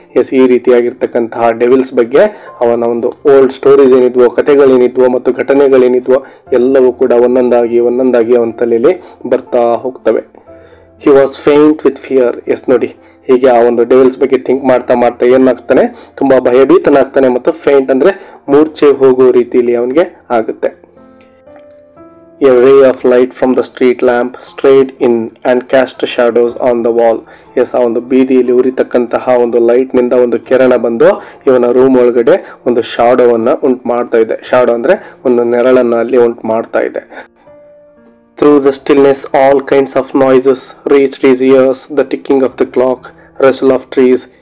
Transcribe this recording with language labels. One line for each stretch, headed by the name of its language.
Kannada: S, ಈ ರೀತಿಯಾಗಿರ್ತಕ್ಕಂತಹ devils ಬಗ್ಗೆ ಅವನ ಒಂದು ಓಲ್ಡ್ ಸ್ಟೋರೀಸ್ ಏನಿದ್ವೋ, ಕಥೆಗಳೇನಿದ್ವೋ ಮತ್ತು ಘಟನೆಗಳೇನಿದ್ವೋ ಎಲ್ಲವೂ ಕೂಡ ಒಂದೊಂದಾಗಿ ಒಂದೊಂದಾಗಿ ಅವನ ತಲೆಯಲ್ಲಿ ಬರ್ತಾ ಹೋಗ್ತವೆ.
English: He was faint with fear.
Kannada: S ನೋಡಿ, ಹೀಗೆ ಆ ಒಂದು ಡೆವಿಲ್ಸ್ ಬಗ್ಗೆ ಥಿಂಕ್ ಮಾಡ್ತಾ ಮಾಡ್ತಾ ಏನಾಗ್ತಾನೆ, ತುಂಬ ಭಯಭೀತನಾಗ್ತಾನೆ ಮತ್ತು ಫೇಂಟ್ ಅಂದರೆ ಮೂರ್ಛೆ ಹೋಗೋ ರೀತಿಯಲ್ಲಿ ಅವನಿಗೆ ಆಗುತ್ತೆ.
English: A ray of light from the street lamp strayed in and cast shadows on the wall.
Kannada: S, ಆ ಒಂದು ಬೀದಿಯಲ್ಲಿ ಉರಿತಕ್ಕಂತಹ ಒಂದು ಲೈಟ್ನಿಂದ ಒಂದು ಕಿರಣ ಬಂದು ಇವನ ರೂಮ್ ಒಳಗಡೆ ಒಂದು ಶಾಡೋವನ್ನು ಉಂಟು ಮಾಡ್ತಾ ಇದೆ. ಶಾಡೋ ಅಂದರೆ ಒಂದು ನೆರಳನ್ನು ಅಲ್ಲಿ ಉಂಟು ಮಾಡ್ತಾ ಇದೆ.
English: Through the stillness all kinds of noises reach his ears. The ticking of the clock, rustle of trees,